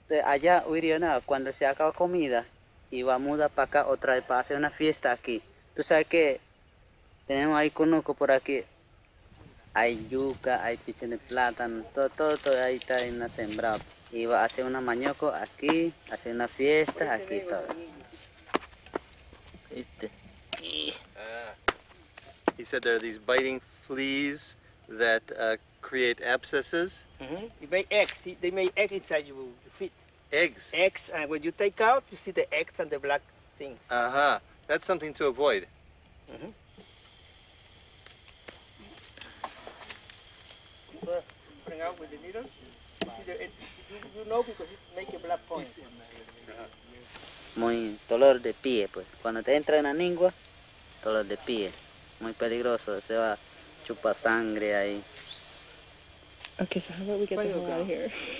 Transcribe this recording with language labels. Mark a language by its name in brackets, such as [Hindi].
[Spanish] Allá, Uriana, cuando se acaba comida, y va a mudar para acá otra vez para hacer una fiesta aquí. Tú sabes que tenemos ahí conuco por aquí. Hay yuca, hay pichón de plátano, todo ahí está en la sembrada. Y va a hacer una mañoco aquí, hacer una fiesta aquí todo. [English] He said there are these biting fleas that create abscesses. Mm-hmm. You make eggs. They make eggs inside your feet. Eggs? Eggs, and when you take out, you see the eggs and the black thing. Uh-huh. That's something to avoid. Mm-hmm. Bring out with the needle. You see the eggs. You know because it make a black point. [Spanish] Muy dolor de pie, pues. Cuando te entra en la lengua, dolor de pie. Muy peligroso, se va a chupar sangre ahí. [English] Ok, so how about we get the hell out of here?